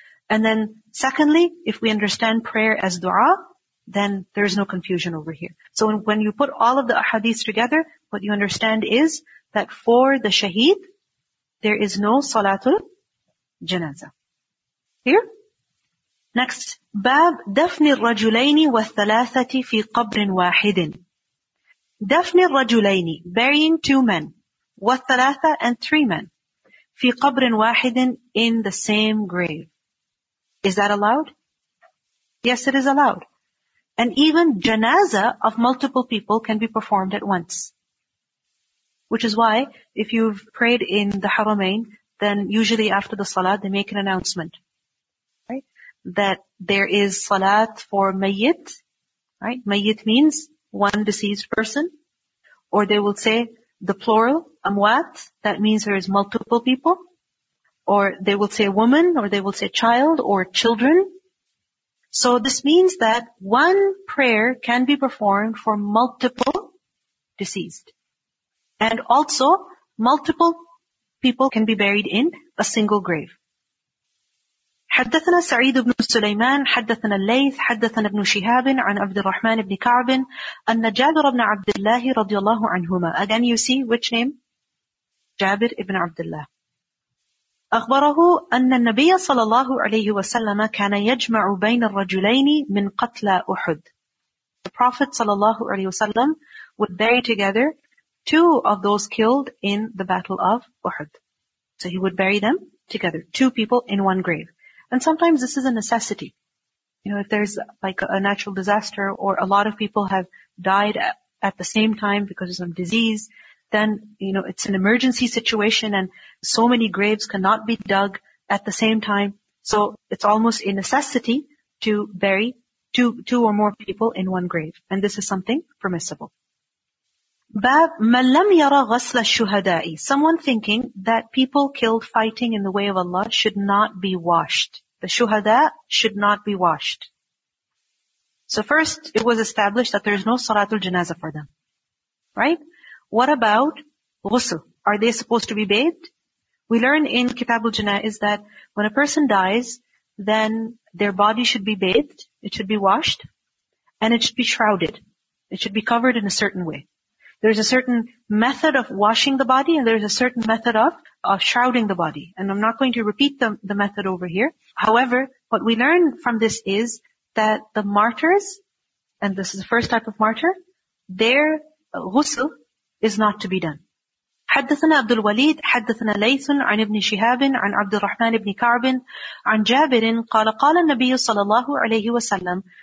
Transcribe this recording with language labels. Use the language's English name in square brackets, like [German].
[English] And then secondly, if we understand prayer as dua, then there's no confusion over here. So when you put all of the ahadith together, what you understand is that for the shaheed, there is no salatul janazah. Here. Next, [Arabic] باب دفن الرجلين والثلاثة في قبر واحد. دفن الرجلين, [English] burying two men, [Arabic] والثلاثة [English] and three men, [Arabic] في قبر واحد, [English] in the same grave. Is that allowed? Yes, it is allowed. And even janaza of multiple people can be performed at once. Which is why, if you've prayed in the Haramain, then usually after the salah, they make an announcement. That there is salat for mayyit, right? Mayyit means one deceased person. Or they will say the plural, amwat, that means there is multiple people. Or they will say woman, or they will say child, or children. So this means that one prayer can be performed for multiple deceased. And also, multiple people can be buried in a single grave. [Arabic] حدثنا سعيد بن سليمان حدثنا الليث حدثنا ابن شهاب عن عبد الرحمن بن كعب أن جابر بن عبد الله رضي الله عنهما. [English] Again, you see which name? جابر بن عبد الله. [Arabic] أخبره أن النبي صلى الله عليه وسلم كان يجمع بين الرجلين من قتلى أحد. [English] The Prophet [Arabic] صلى الله عليه وسلم [English] would bury together two of those killed in the battle of Uhud. So he would bury them together, two people in one grave. And sometimes this is a necessity. You know, if there's like a natural disaster or a lot of people have died at the same time because of some disease, then, you know, it's an emergency situation and so many graves cannot be dug at the same time. So it's almost a necessity to bury two or more people in one grave. And this is something permissible. [Arabic] باب من لم يرى غسل الشهداء. [English] Someone thinking that people killed fighting in the way of Allah should not be washed. The shuhada should not be washed. So first, it was established that there is no salatul janazah for them. Right? What about ghusl? Are they supposed to be bathed? We learn in Kitab al-Janaiz that when a person dies, then their body should be bathed, it should be washed, and it should be shrouded. It should be covered in a certain way. There's a certain method of washing the body and there's a certain method of shrouding the body. And I'm not going to repeat the method over here. However, What we learn from this is that the martyrs, and this is the first type of martyr, their ghusl is not to be done. [Arabic] حدثنا عبد الوليد حدثنا ليث عن ابن شهاب عن عبد الرحمن بن كعب عن جابر قال قال النبي صلى الله عليه وسلم.